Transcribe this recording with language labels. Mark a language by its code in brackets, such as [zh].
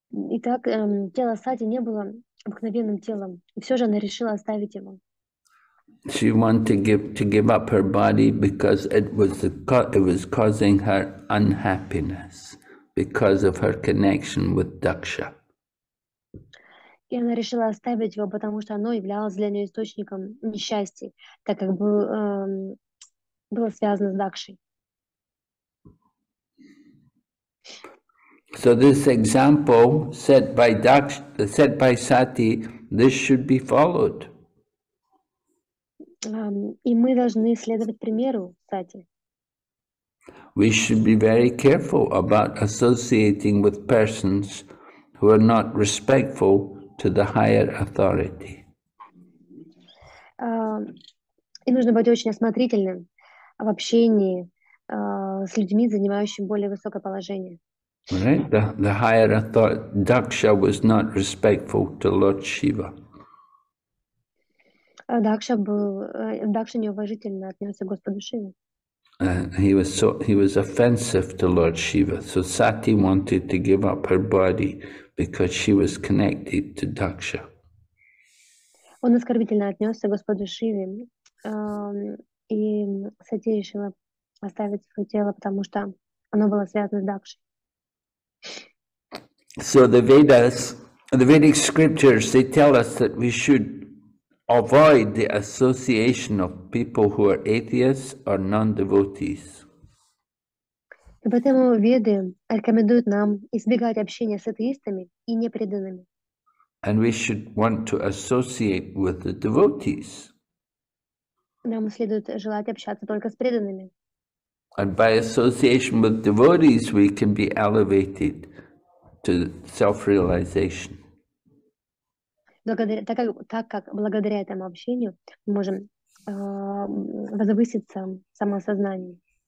[ru] Итак, тело Сати не было обыкновенным телом, и все же она решила оставить его. [en] She wanted to give up her body because it was causing her unhappiness because of her connection with Daksha. [ru] И она решила оставить его, потому что оно являлось для нее источником несчастья, так как было связано с Дакшей. [en] So this example set by Sati, this should be followed. [ru] И мы должны следовать примеру Сати. [en] We should be very careful about associating with persons who are not respectful to the higher authority. [ru] И нужно быть очень осмотрительным в общении с людьми, занимающими более высокое положение. [en] Right, the higher authority, Daksha was not respectful to Lord Shiva. [ru] Дакша неуважительно отнесся к Господу Шиве. [en] He was offensive to Lord Shiva. So Sati wanted to give up her body because she was connected to Daksha. [ru] Он оскорбительно отнесся к Господу Шиве, и Сати решила оставить свое тело, потому что оно было связано с Дакшей. [en] So the Vedic scriptures, they tell us that we should avoid the association of people who are atheists or non-devotees. [ru] И поэтому Веды рекомендуют нам избегать общения с атеистами и непреданными. [en] And we should want to associate with the devotees. [ru] Нам следует желать общаться только с преданными. [en] And by association with devotees, we can be elevated to self-realization. [ru] Так как благодаря этому общению мы можем возвыситься в самосознании.